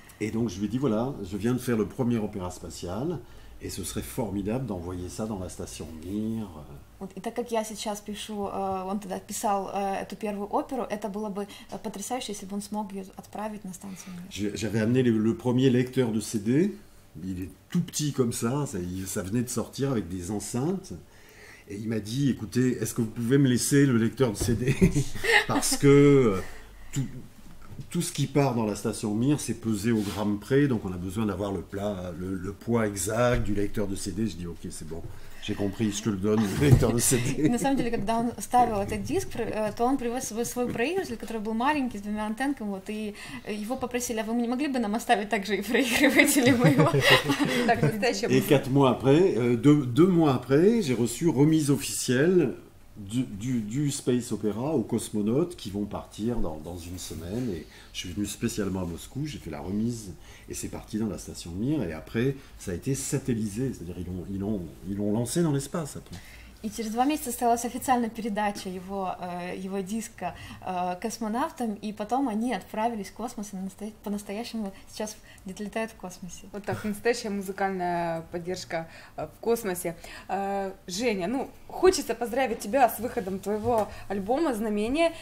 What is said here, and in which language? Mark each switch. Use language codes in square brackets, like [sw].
[fr] Et donc je lui ai dit: «Voilà, je viens de faire le premier opéra spatial, et ce serait formidable d'envoyer ça dans la station Mir». [ru] И так как я сейчас пишу, он тогда писал эту первую оперу, это было бы потрясающе, если бы он смог ее отправить на станцию Мир. [fr] J'avais amené le premier lecteur de CD. Il est tout petit comme ça, ça venait de sortir avec des enceintes. Et il m'a dit: «Écoutez, est-ce que vous pouvez me laisser le lecteur de CD? Parce que tout ce qui part dans la station Mir, c'est pesé au gramme près, donc on a besoin d'avoir le poids exact du lecteur de CD». Je dis: «Ok, c'est bon. J'ai compris, je te le donne, lecteur de CD». [ru] На самом деле, когда он ставил этот диск, то он привез свой проигрыватель, который был маленький, с двумя антеннками, вот, и его попросили: «А вы не могли бы нам оставить также и проигрыватели моего?» [fr] Et quatre mois après, deux mois après, j'ai reçu remise officielle du Space Opera aux cosmonautes qui vont partir dans une semaine. Et je suis venu spécialement à Moscou, j'ai fait la remise et c'est parti dans la station Mir. Et après, ça a été satellisé, c'est-à-dire ils l'ont lancé dans l'espace après. [ru] И через два месяца состоялась официальная передача его диска космонавтам, и потом они отправились в космос, и по-настоящему сейчас где-то летают в космосе. Вот так, настоящая музыкальная поддержка в космосе. Женя, ну, хочется поздравить тебя с выходом твоего альбома «Знамение».